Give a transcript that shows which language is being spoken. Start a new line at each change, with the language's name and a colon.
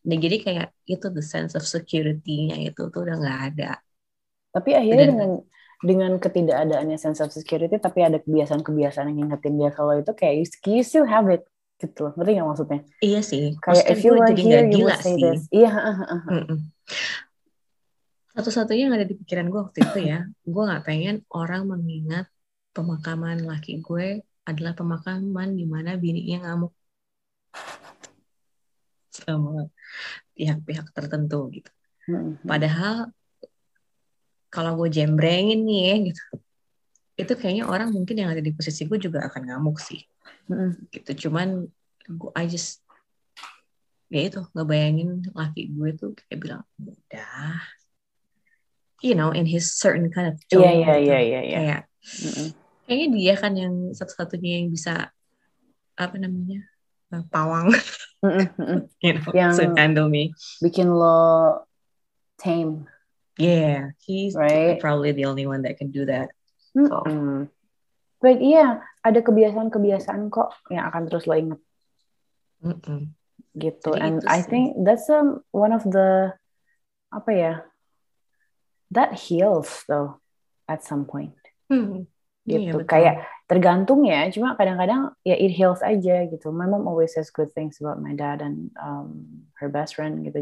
Indonesian: Nah, jadi kayak itu the sense of security-nya itu tuh udah gak ada. Tapi akhirnya dengan ketidakadaannya sense of security, tapi ada kebiasaan-kebiasaan yang ngingetin dia kalau itu kayak
English: you still have it.
Indonesian: Gitu loh. Ngerti gak maksudnya? Iya sih.
English: Kayak if you were here, you would say this.
Indonesian: Iya. Satu-satunya yang ada di pikiran gue waktu itu ya, gue gak pengen orang mengingat pemakaman laki gue adalah pemakaman di mana bininya ngamuk sama pihak-pihak tertentu gitu. Padahal kalau gue jembrengin nih gitu, itu kayaknya orang mungkin yang ada di posisi gue juga akan ngamuk sih. Mm-hmm. Gitu, cuman gue,
English: I just,
Indonesian: ya itu, ngebayangin laki gue tuh kayak bilang, udah,
English: you know, in his certain kind of tone. Yeah.
Indonesian: Kayak, mm-hmm. Kayaknya dia kan yang satu-satunya yang bisa, apa namanya, pawang.
English: Mm-hmm. You know,
Indonesian: yang
English: to handle me.
Indonesian: Bikin lo tame.
English: Yeah, he's right? Probably the only one that can do that. So. But yeah,
Indonesian: ada kebiasaan-kebiasaan kok yang akan terus lo inget. Mm-mm. Gitu. Jadi
English: and I think that's one of the
Indonesian: apa ya,
English: that heals though at some point. Mm-hmm.
Indonesian: Gitu.
English: Yeah,
Indonesian: kayak tergantung ya, cuma kadang-kadang ya
English: it heals
Indonesian: aja gitu.
English: My mom always says good things about my dad and her best friend
Indonesian: gitu.